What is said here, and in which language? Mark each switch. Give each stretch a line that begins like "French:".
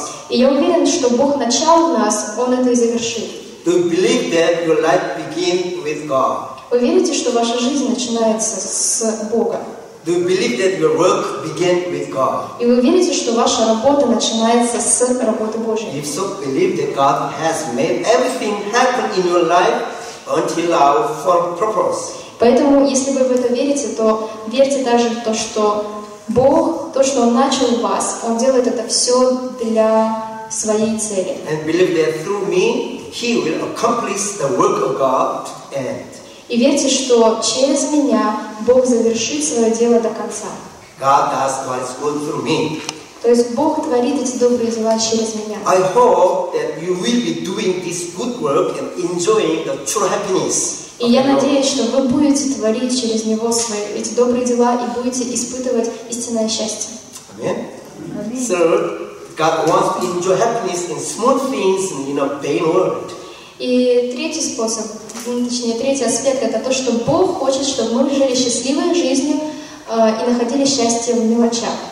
Russian: И я уверен, что Бог начал в нас, Он это и завершит.
English: Do you believe that your life begins with God?
Russian: Вы верите, что ваша жизнь начинается с Бога?
English: Do you believe that your work began with God?
Russian: И вы верите, что ваша работа начинается с работы Божьей?
English: If so, believe that God has made everything happen in your life until our for purpose.
Russian: Поэтому, если вы в это верите, то верьте также в то, что Бог, то, что Он начал у вас, Он делает это все для своей цели.
English: And believe that through me, He will accomplish the work of God to end.
Russian: И верьте, что через меня Бог завершит свое дело до конца.
English: God does what is good through me.
Russian: То есть Бог творит эти добрые дела через меня.
English: I hope that you will be doing this good work and enjoying the true happiness.
Russian: И я надеюсь, что вы будете творить через него свои эти добрые дела и будете испытывать истинное счастье.
English: Аминь. Sir, God wants to enjoy happiness in small things and in a pain world.
Russian: И третий способ, точнее, третий аспект, это то, что Бог хочет, чтобы мы жили счастливой жизнью и находили счастье в мелочах.